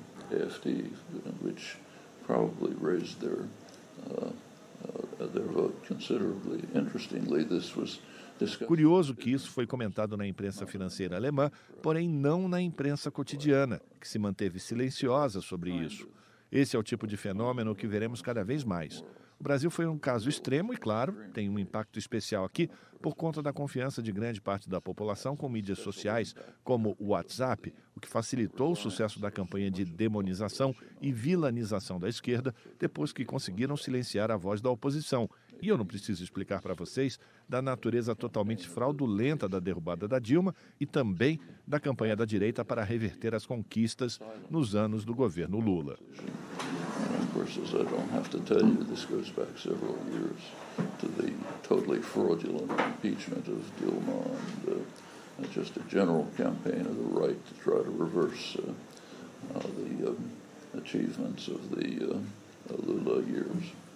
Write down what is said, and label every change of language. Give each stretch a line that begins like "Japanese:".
English: AfD, which probably raised their vote considerably. Interestingly, this was discussed.
Portuguese: Curioso que isso foi comentado na imprensa financeira alemã, porém não na imprensa cotidiana, que se manteve silenciosa sobre isso. Esse é o tipo de fenômeno que veremos cada vez mais. O Brasil foi um caso extremo e, claro, tem um impacto especial aqui por conta da confiança de grande parte da população com mídias sociais, como o WhatsApp, o que facilitou o sucesso da campanha de demonização e vilanização da esquerda depois que conseguiram silenciar a voz da oposição. E eu não preciso explicar para vocês da natureza totalmente fraudulenta da derrubada da Dilma e também da campanha da direita para reverter as conquistas nos anos do governo Lula.
English: I don't have to tell you, this goes back several years to the totally fraudulent impeachment of Dilma and just a general campaign of the right to try to reverse the achievements of the Lula years.